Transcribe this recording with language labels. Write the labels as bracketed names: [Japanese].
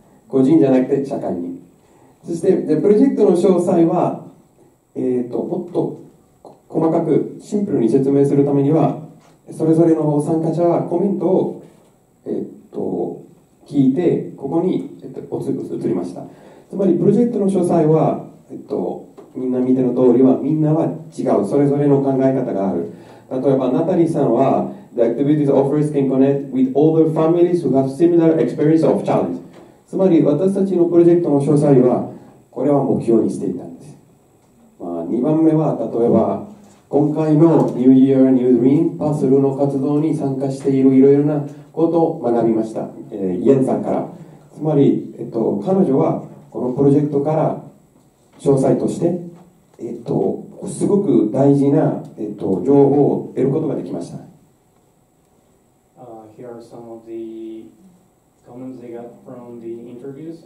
[Japanese] 個人じゃなくて社会に。そして、プロジェクトの詳細は、もっと細かくシンプルに説明するためには、それぞれの参加者はコメントを、聞いて、ここに、移りました。つまり、プロジェクトの詳細は、みんな見ての通りは、みんなは違う。それぞれの考え方がある。例えば、ナタリーさんは、 [English] The activities offers can connect with other families who have similar experience of challenge. [Japanese] つまり、私たちのプロジェクトの詳細は、これは目標にしていたんです。まあ、2番目は、例えば、今回の New Year New Dream パスルの活動に参加しているいろいろなことを学びました。イエンさんから。つまり、彼女は、このプロジェクトから、詳細として、すごく大事な、情報を得ることができました。 [English] Here are some of the comments they got from the interviews.